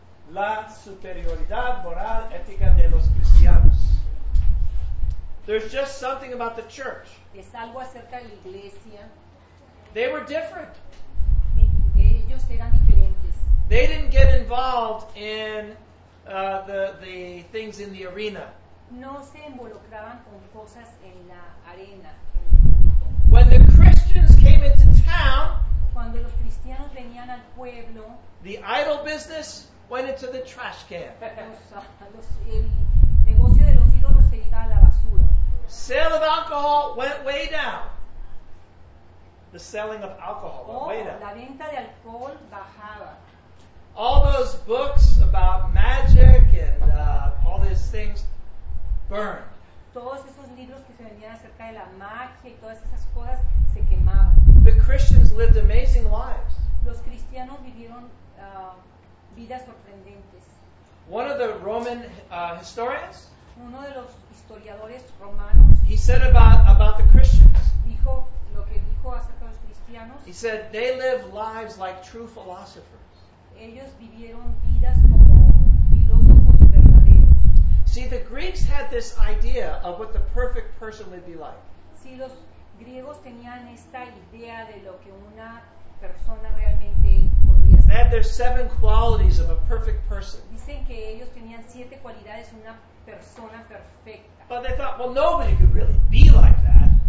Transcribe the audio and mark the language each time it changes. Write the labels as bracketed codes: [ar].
[es] La superioridad moral ética de los cristianos. [en] There's just something about the church. [es] Es algo acerca de la iglesia. [en] They were different. [es] Ellos eran diferentes. [en] They didn't get involved in the things in the arena. [es] No se involucraban con cosas en la arena. [en] When the Christians came into town, [es] cuando los cristianos venían al pueblo, [en] the idol business went into the trash can. [es] El negocio de los ídolos se iba a la basura. [en] Sale of alcohol went way down. The selling of alcohol. [es] La venta de alcohol bajaba. [en] All those books about magic and all these things burned. [es] Todos esos libros que se vendían acerca de la magia y todas esas cosas se quemaban. [en] The Christians lived amazing lives. [es] Los cristianos vivieron vidas sorprendentes. [en] One of the Roman historians. [es] Uno de los historiadores romanos. [en] He said about the Christians. [es] Dijo lo que dijo acerca de los cristianos. [en] He said they live lives like true philosophers. [es] Ellos vivieron vidas como filósofos verdaderos. [en] See, the Greeks had this idea of what the perfect person would be like. [es] Si los griegos tenían esta idea de lo que una persona realmente podría ser. [en] They had their seven qualities of a perfect person. [es] Dicen que ellos tenían siete cualidades de una persona perfecta. [en] But they thought, well, nobody could really be like that.